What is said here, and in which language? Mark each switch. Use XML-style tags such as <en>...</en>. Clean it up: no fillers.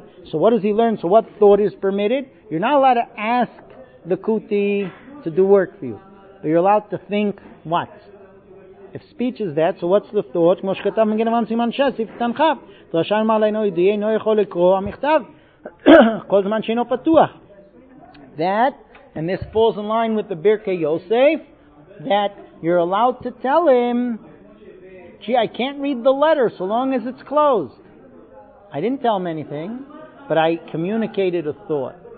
<en>So what does he learn? So what thought is permitted? You're not allowed to ask the Kuti to do work for you. But you're allowed to think what? If speech is that, so what's the thought?</en> <he>כמו שכתב מגן אמן סימן שס, סיף תנחף. דרשה אמר לאינו יהודי, אינו יכול לקרוא המכתב. כל זמן שאינו פתוח.</he> <en>That, and this falls in line with the Birkei Yosef, that you're allowed to tell him, gee, I can't read the letter so long as it's closed. I didn't tell him anything, but I communicated a thought.</en>